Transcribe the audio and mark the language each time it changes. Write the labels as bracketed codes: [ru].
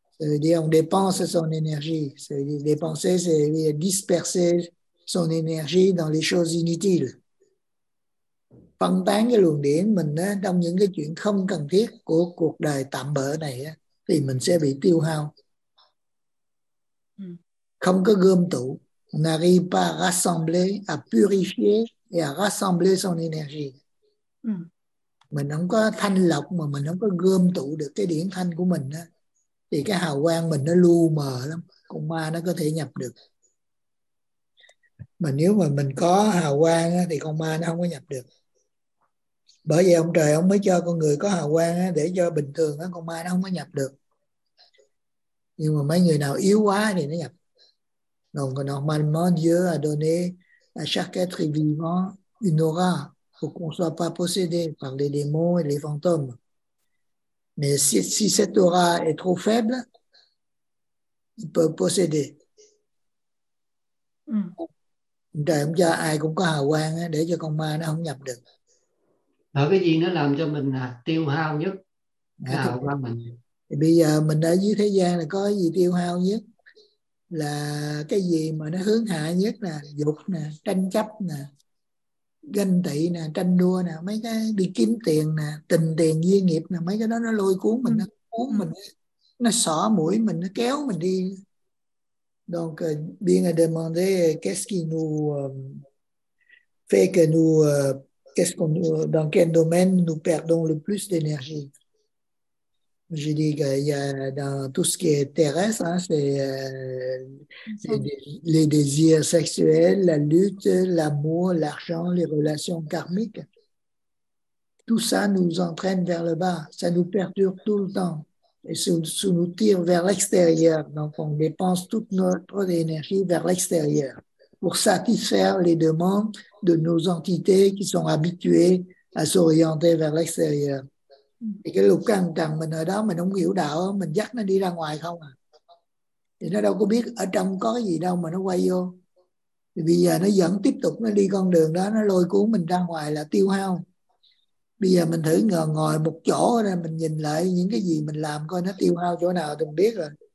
[fr] C'est-à-dire on dépense son énergie. C'est-à-dire dépenser, c'est-à-dire disperser son énergie dans les choses inutiles. [vi] Phân tán cái luồng điện mình á, trong những cái chuyện không cần thiết của cuộc đời tạm bỡ này á, thì mình sẽ bị tiêu hao. Không có gom tụ. [fr] On n'arrive pas à rassembler, à purifier et à rassembler son énergie. [vi] Mình không có thanh lọc mà mình không có gom tụ được cái điển thanh của mình á, thì cái hào quang mình nó lu mờ lắm, con ma nó có thể nhập được. Mà nếu mà mình có hào quang á, thì con ma nó không có nhập được. Bởi vậy ông trời ông mới cho con người có hào quang á, để cho bình thường á, con ma nó không có nhập được. Nhưng mà mấy người nào yếu quá thì nó nhập. [fr] Donc normalement Dieu a donné à chaque être vivant une aura pour qu'on ne soit pas possédé par les démons et les fantômes. Mais si cette aura est trop faible, il peut posséder. [vi] Trời không cho ai cũng có hào quang để cho con ma nó không nhập được. Ở cái gì nó làm cho mình tiêu hao nhất? Cái hào quang mình. Thì bây giờ mình ở dưới thế gian là có gì tiêu hao nhất? Là cái gì mà nó hướng hạ nhất nè, dục nè, tranh chấp nè, ganh tị nè, tranh đua nè, mấy cái đi kiếm tiền nè, tình tiền duyên nghiệp nè, mấy cái đó nó lôi cuốn mình, nó cuốn mình, nó xỏ mũi mình, nó kéo mình đi. [fr] Donc bien a demandé qu'est-ce qui nous fait que nous qu'est-ce qu'on dans quel domaine nous perdons le plus d'énergie. J'ai dit qu'il y a dans tout ce qui est terrestre, hein, c'est les désirs sexuels, la lutte, l'amour, l'argent, les relations karmiques. Tout ça nous entraîne vers le bas, ça nous perturbe tout le temps. Et ça nous tire vers l'extérieur, donc on dépense toute notre énergie vers l'extérieur pour satisfaire les demandes de nos entités qui sont habituées à s'orienter vers l'extérieur. [vi] Thì cái lục căn trần mình ở đó mình không hiểu đạo, mình dắt nó đi ra ngoài không à, thì nó đâu có biết ở trong có cái gì đâu mà nó quay vô. Bây giờ nó vẫn tiếp tục nó đi con đường đó, nó lôi cuốn mình ra ngoài là tiêu hao. Bây giờ mình thử ngồi một chỗ rồi mình nhìn lại những cái gì mình làm coi nó tiêu hao chỗ nào thì mình biết rồi.